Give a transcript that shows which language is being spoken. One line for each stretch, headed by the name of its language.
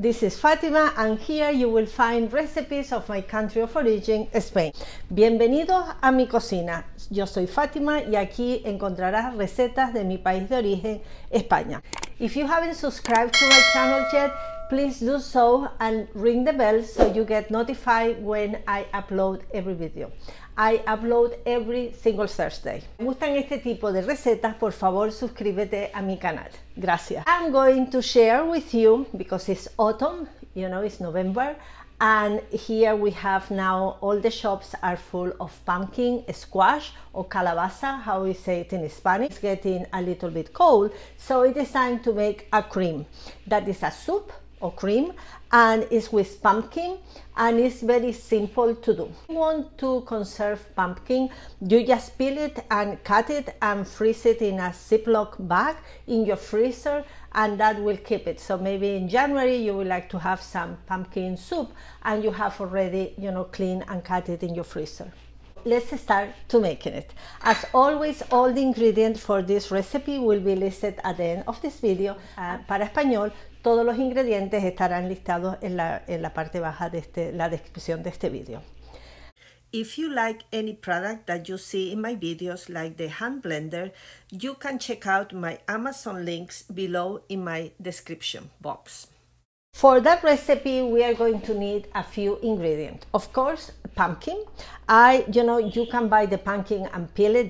English: This is Fátima and here you will find recipes of my country of origin, Spain.
Spanish: Bienvenidos a mi cocina. Yo soy Fátima y aquí encontrarás recetas de mi país de origen, España.
English: If you haven't subscribed to my channel yet, please do so and ring the bell so you get notified when I upload every video. I upload every single Thursday.
Spanish: Si te gustan este tipo de recetas, por favor suscríbete a mi canal. Gracias.
English: I'm going to share with you, because it's autumn, you know, it's November, and here we have now all the shops are full of pumpkin, squash, or calabaza, how we say it in Spanish. It's getting a little bit cold, so it is time to make a cream. That is a soup or cream, and it's with pumpkin, and it's very simple to do. If you want to conserve pumpkin, you just peel it and cut it and freeze it in a Ziploc bag in your freezer, and that will keep it. So maybe in January you would like to have some pumpkin soup and you have already, you know, clean and cut it in your freezer. Let's start to making it. As always, all the ingredients for this recipe will be listed at the end of this video.
Spanish: Para español, todos los ingredientes estarán listados en la parte baja de la descripción de este video.
English: If you like any product that you see in my videos, like the hand blender, you can check out my Amazon links below in my description box. For that recipe, we are going to need a few ingredients. Of course, pumpkin. You can buy the pumpkin and peel it.